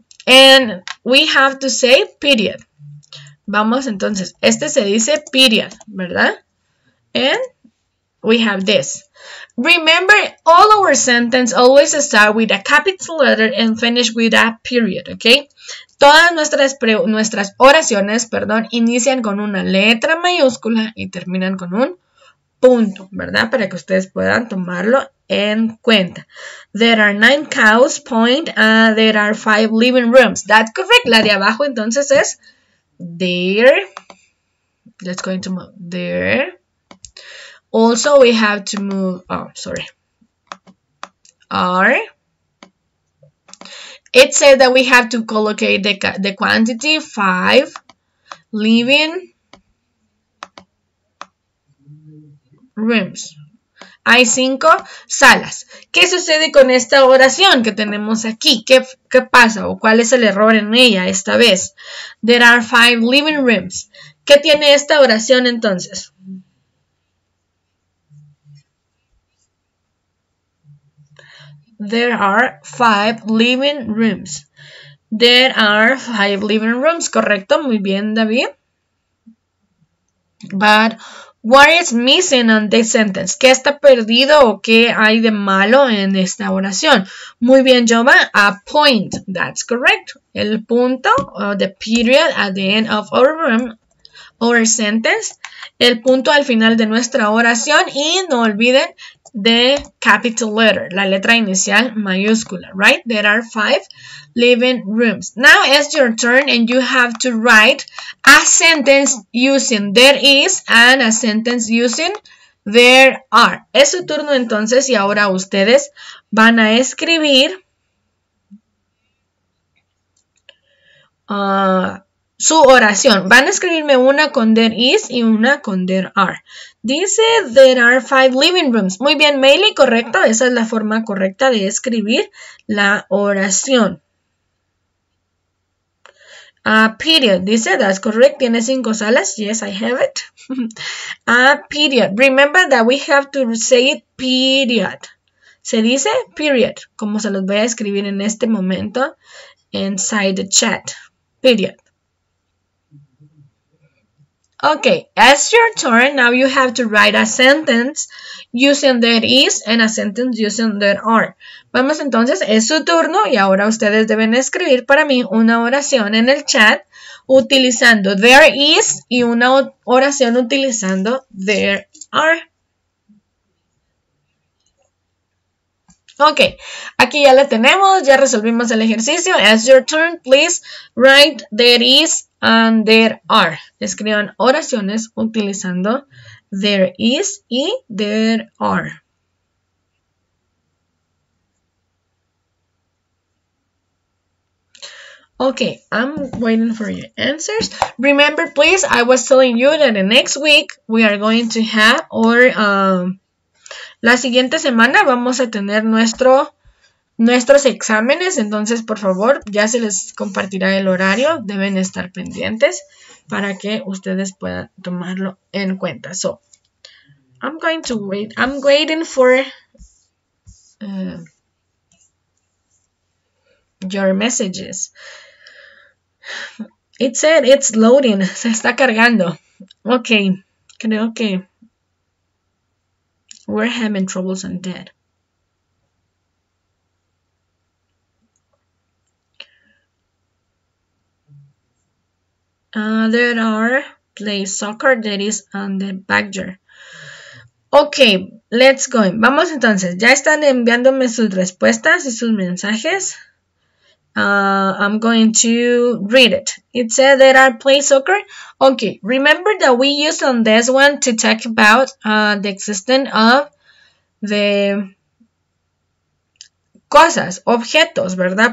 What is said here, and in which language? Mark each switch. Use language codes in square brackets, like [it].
[en] And we have to say period. [es] Vamos entonces, este se dice period, ¿verdad? [en] And we have this. Remember, all our sentences always start with a capital letter and finish with a period, okay? [es] Todas nuestras oraciones, perdón, inician con una letra mayúscula y terminan con un punto, ¿verdad? Para que ustedes puedan tomarlo en cuenta. [en] There are nine cows, point, there are five living rooms. That's correct. [es] La de abajo entonces es there. [en] Let's going to move there. Also, we have to move, R. It said that we have to collocate the quantity, five living rooms. [es] Hay cinco salas. ¿Qué sucede con esta oración que tenemos aquí? ¿Qué pasa? ¿O cuál es el error en ella esta vez? [en] There are five living rooms. [es] ¿Qué tiene esta oración entonces? [en] There are five living rooms. There are five living rooms. [es] Correcto. Muy bien, David. [en] But what is missing on this sentence? [es] ¿Qué está perdido o qué hay de malo en esta oración? Muy bien, Jova. [en] A point. That's correct. [es] El punto, [en] the period at the end of our sentence. [es] El punto al final de nuestra oración. Y no olviden [en] the capital letter, [es] la letra inicial mayúscula, [en] right? There are five living rooms. Now it's your turn and you have to write a sentence using there is and a sentence using there are. [es] Es su turno entonces y ahora ustedes van a escribir su oración. Van a escribirme una con there is y una con there are. [en] Dice there are 5 living rooms. [es] Muy bien, Meili, correcto. Esa es la forma correcta de escribir la oración. [en] Period. Dice that's correct. [es] Tiene 5 salas. [en] Yes, I have it. period. Remember that we have to say it period. [es] Se dice period. Como se los voy a escribir en este momento. [en] Inside the chat. Period. Okay, it's your turn. Now you have to write a sentence using there is and a sentence using there are. [es] Vamos entonces, es su turno y ahora ustedes deben escribir para mí una oración en el chat utilizando there is y una oración utilizando there are. Okay, aquí ya la tenemos, ya resolvimos el ejercicio. [en] It's your turn, please write there is and there are. [es] Escriban oraciones utilizando there is y there are. [en] Okay, I'm waiting for your answers. Remember, please, I was telling you that the next week we are going to have our... [es] La siguiente semana vamos a tener nuestros exámenes, entonces por favor ya se les compartirá el horario, deben estar pendientes para que ustedes puedan tomarlo en cuenta. [en] So, I'm going to wait, I'm waiting for your messages. It said it's loading, [es] se está cargando. Ok, creo que... [en] We're having troubles on that. There are play soccer that is on the badger. Okay, let's go. [es] Vamos entonces. Ya están enviándome sus respuestas y sus mensajes. [en] I'm going to read it. It said that I play soccer. Okay, remember that we used on this one to talk about the existence of the [es] cosas, objetos, ¿verdad?